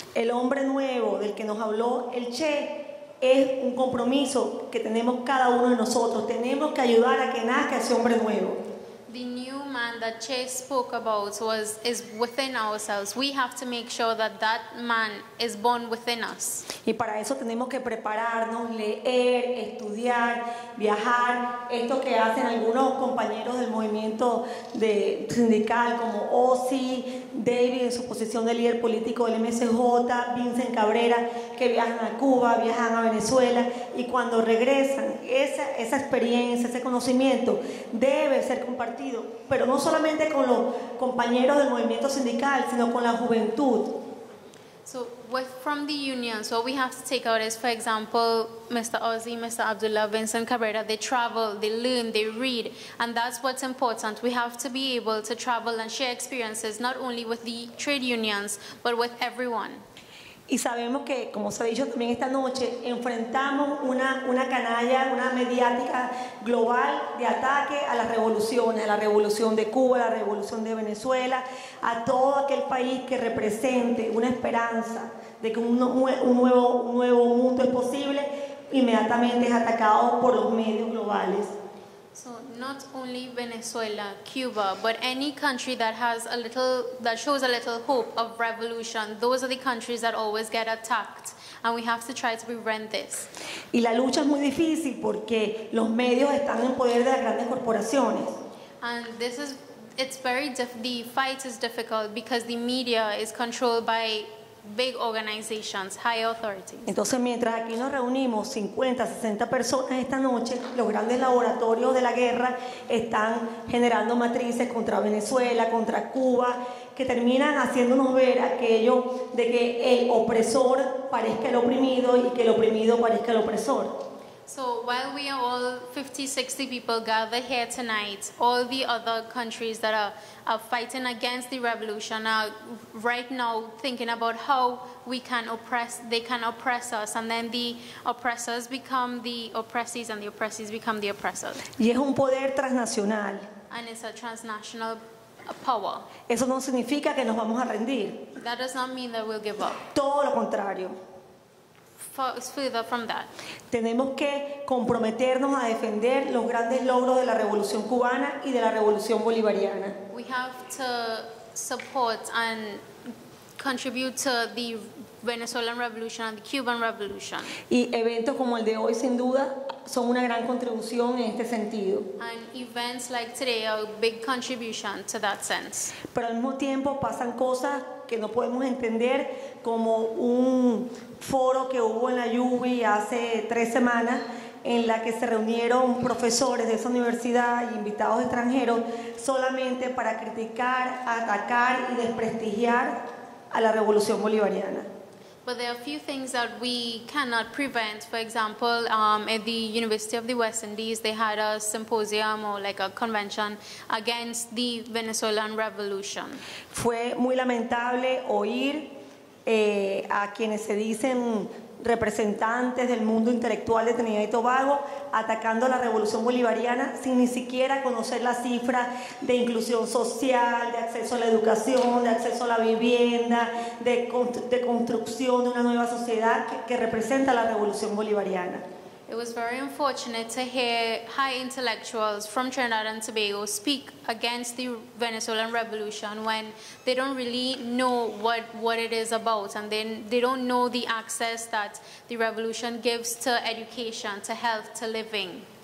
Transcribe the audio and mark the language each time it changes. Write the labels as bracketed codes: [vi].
[es] El hombre nuevo del que nos habló el Che es un compromiso que tenemos cada uno de nosotros. Tenemos que ayudar a que nazca ese hombre nuevo. [en] The new man that Che spoke about is within ourselves. We have to make sure that man is born within us. [es] Y para eso tenemos que prepararnos, leer, estudiar, viajar. Esto que hacen algunos compañeros del movimiento de sindical como Ozzy, David en su posición de líder político del MSJ, Vincent Cabrera, que viajan a Cuba, viajan a Venezuela. Y cuando regresan, esa experiencia, ese conocimiento debe ser compartido. Pero no solamente con los compañeros del movimiento sindical, sino con la juventud. [en] So, from the unions, what we have to take out is, for example, Mr. Ozzy, Mr. Abdullah, Vincent Cabrera, they travel, they learn, they read, and that's what's important. We have to be able to travel and share experiences, not only with the trade unions, but with everyone. [es] Y sabemos que, como se ha dicho también esta noche, enfrentamos una canalla, una mediática global de ataque a las revoluciones, a la revolución de Cuba, a la revolución de Venezuela, a todo aquel país que represente una esperanza de que un nuevo mundo es posible, inmediatamente es atacado por los medios globales. [en] So not only Venezuela, Cuba, but any country that has a little, that shows a little hope of revolution, those are the countries that always get attacked, and we have to try to prevent this. [es] Y la lucha es muy difícil porque los medios están en poder de las grandes corporaciones. [en] And this is, it's very the fight is difficult because the media is controlled by big organizations, high authorities. [es] Entonces, mientras aquí nos reunimos 50, 60 personas esta noche, los grandes laboratorios de la guerra están generando matrices contra Venezuela, contra Cuba, que terminan haciéndonos ver aquello de que el opresor parezca el oprimido y que el oprimido parezca el opresor. [en] So while we are all 50, 60 people gathered here tonight, all the other countries that are fighting against the revolution are right now thinking about how we can oppress, they can oppress us, and then the oppressors become the oppressees and the oppressees become the oppressors. [es] Y es un poder transnacional. [en] And it's a transnational power. [es] Eso no significa que nos vamos a rendir. [en] That does not mean that we'll give up. [es] Todo lo contrario. [en] Further from that. [es] Tenemos que comprometernos a defender los grandes logros de la Revolución Cubana y de la Revolución Bolivariana. [en] We have to support and contribute to the Venezuelan Revolution and the Cuban Revolution. [es] Y eventos como el de hoy sin duda son una gran contribución en este sentido. [en] And events like today are a big contribution to that sense. [es] Pero al mismo tiempo pasan cosas que no podemos entender, como un foro que hubo en la UBI hace 3 semanas en la que se reunieron profesores de esa universidad y invitados extranjeros solamente para criticar, atacar y desprestigiar a la Revolución Bolivariana. [en] But there are a few things that we cannot prevent. For example, at the University of the West Indies, they had a symposium or like a convention against the Venezuelan Revolution. [es] Fue muy lamentable oír a quienes se dicen representantes del mundo intelectual de Trinidad y Tobago atacando a la Revolución Bolivariana sin ni siquiera conocer la cifra de inclusión social, de acceso a la educación, de acceso a la vivienda, de construcción de una nueva sociedad que representa la Revolución Bolivariana. [en] It was very unfortunate to hear high intellectuals from Trinidad and Tobago speak against the Venezuelan Revolution when they don't really know what it is about, and they don't know the access that the revolution gives to education, to health, to living.